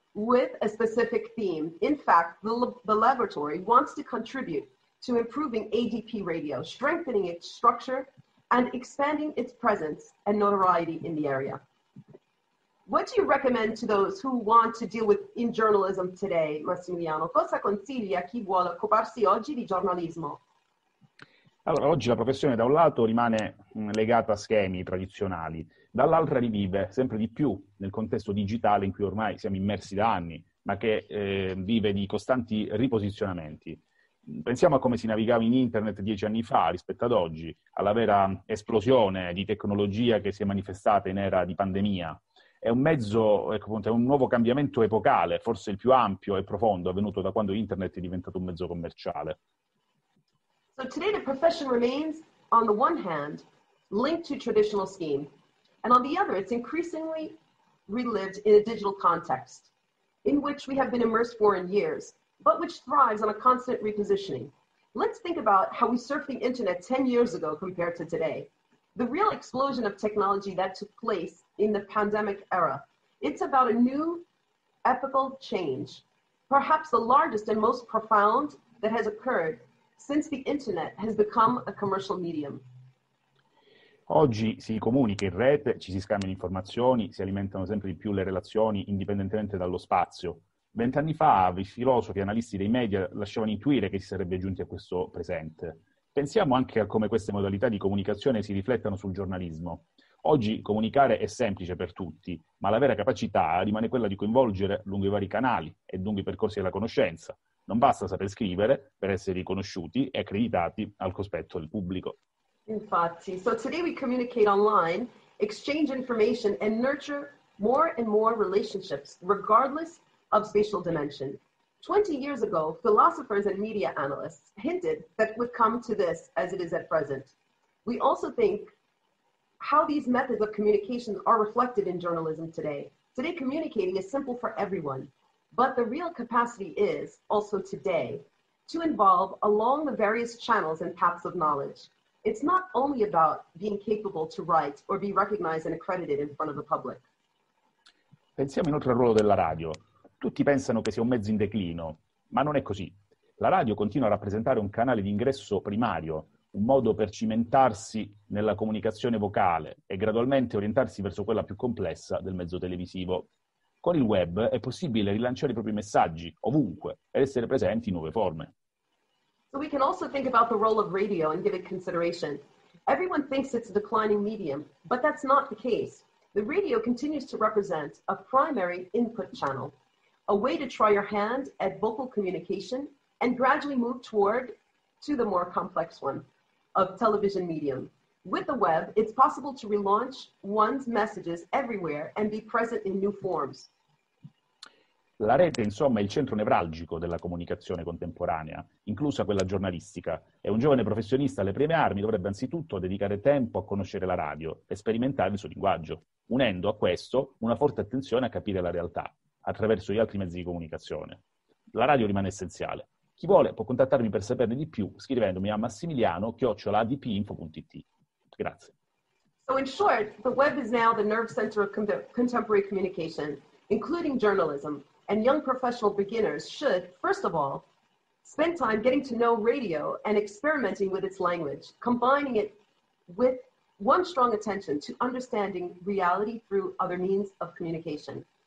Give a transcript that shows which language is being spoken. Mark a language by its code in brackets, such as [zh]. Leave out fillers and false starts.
[en] with a specific theme. In fact, the laboratory wants to contribute to improving ADP radio, strengthening its structure and expanding its presence and notoriety in the area. What do you recommend to those who want to deal with in journalism today, Massimiliano? [it] Cosa consigli a chi vuole occuparsi oggi di giornalismo? Allora, oggi la professione da un lato rimane legata a schemi tradizionali, dall'altra rivive sempre di più nel contesto digitale in cui ormai siamo immersi da anni, ma che vive di costanti riposizionamenti. Pensiamo a come si navigava in internet 10 anni fa rispetto ad oggi, alla vera esplosione di tecnologia che si è manifestata in era di pandemia. È un mezzo, è un nuovo cambiamento epocale, forse il più ampio e profondo avvenuto da quando internet è diventato un mezzo commerciale. [en] So today the profession remains, on the one hand, linked to traditional scheme, and on the other, it's increasingly relived in a digital context, in which we have been immersed for in years, but which thrives on a constant repositioning. Let's think about how we surfed the internet 10 years ago compared to today. The real explosion of technology that took place in the pandemic era, it's about a new epical change, perhaps the largest and most profound that has occurred since the internet has become a commercial medium. [it] Oggi si comunica in rete, ci si scambiano informazioni, si alimentano sempre di più le relazioni, indipendentemente dallo spazio. 20 anni fa, i filosofi e analisti dei media lasciavano intuire che si sarebbe giunti a questo presente. Pensiamo anche a come queste modalità di comunicazione si riflettano sul giornalismo. Oggi comunicare è semplice per tutti, ma la vera capacità rimane quella di coinvolgere lungo i vari canali e lungo i percorsi della conoscenza. Non basta saper scrivere per essere riconosciuti e accreditati al cospetto del pubblico. [en] Infatti, so today we communicate online, exchange information and nurture more and more relationships regardless of spatial dimension. 20 years ago, philosophers and media analysts hinted that it would come to this as it is at present. We also think how these methods of communication are reflected in journalism today. Today, communicating is simple for everyone, but the real capacity is, also today, to involve along the various channels and paths of knowledge. It's not only about being capable to write or be recognized and accredited in front of the public. [it] Pensiamo inoltre al ruolo della radio. Tutti pensano che sia un mezzo in declino, ma non è così. La radio continua a rappresentare un canale di ingresso primario, un modo per cimentarsi nella comunicazione vocale e gradualmente orientarsi verso quella più complessa del mezzo televisivo. Con il web è possibile rilanciare i propri messaggi ovunque ed essere presenti in nuove forme. [en] So we can also think about the role of radio and give it consideration. Everyone thinks it's a declining medium, but that's not the case. The radio continues to represent a primary input channel, a way to try your hand at vocal communication and gradually move toward to the more complex one of television medium. With the web, it's possible to relaunch one's messages everywhere and be present in new forms. [it] La rete, insomma, è il centro nevralgico della comunicazione contemporanea, inclusa quella giornalistica. E un giovane professionista alle prime armi dovrebbe anzitutto dedicare tempo a conoscere la radio e sperimentare il suo linguaggio, unendo a questo una forte attenzione a capire la realtà attraverso gli altri mezzi di comunicazione. La radio rimane essenziale. Chi vuole può contattarmi per saperne di più scrivendomi a massimiliano@adpinfo.it. Grazie. [en] So in short, the web is now the nerve center of contemporary communication, including journalism, and young professional beginners should, first of all, spend time getting to know radio and experimenting with its language, combining it with one strong attention to understanding reality through other means of communication.